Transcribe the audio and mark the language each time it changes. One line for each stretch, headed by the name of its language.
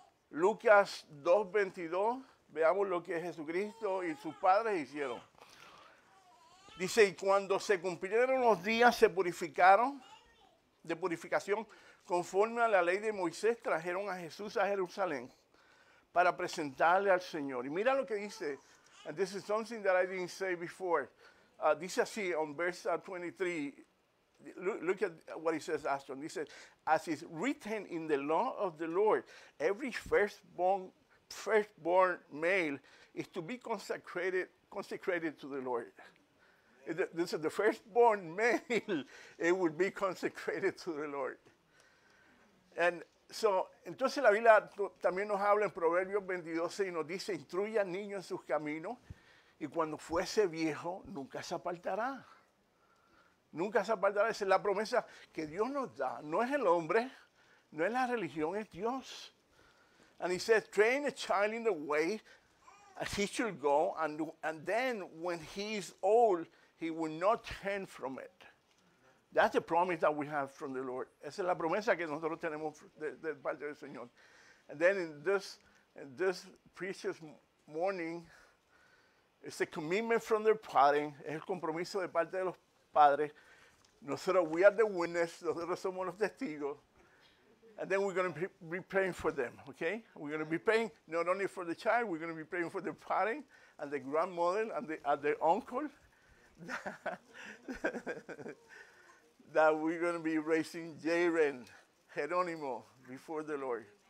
Spanish: Lucas 2:22, veamos lo que Jesucristo y sus padres hicieron. Dice, y cuando se cumplieron los días, se purificaron, de purificación, conforme a la ley de Moisés, trajeron a Jesús a Jerusalén para presentarle al Señor. Y mira lo que dice.
English: And this is something that I didn't say before.
Spanish: Dice así
English: on verse 23. Look at what he says, Aston. He says, as is written in the law of the Lord, every firstborn male is to be consecrated to the Lord. This is the firstborn male. It will be consecrated to the Lord. And so,
Spanish: entonces la Biblia también nos habla en Proverbios 22:6 y nos dice, instruye al niño en sus caminos y cuando fuese viejo nunca se apartará. Nunca se apartará. Esa es la promesa que Dios nos da. No es el hombre, no es la religión, es Dios.
English: And he says, train a child in the way he should go, and then when he's old, he will not turn from it. That's the promise that we have from the Lord.
Spanish: Esa es la promesa que nosotros tenemos de parte del Señor.
English: And then in this precious morning, it's a commitment from their parents.
Spanish: Es el compromiso de parte de los padres. Nosotros,
English: we are the witness.
Spanish: Nosotros somos los testigos.
English: And then we're going to be praying for them, okay? We're going to be praying not only for the child, we're going to be praying for the parent and the grandmother and the uncle that we're going to be raising Jaren Jeronimo before the Lord.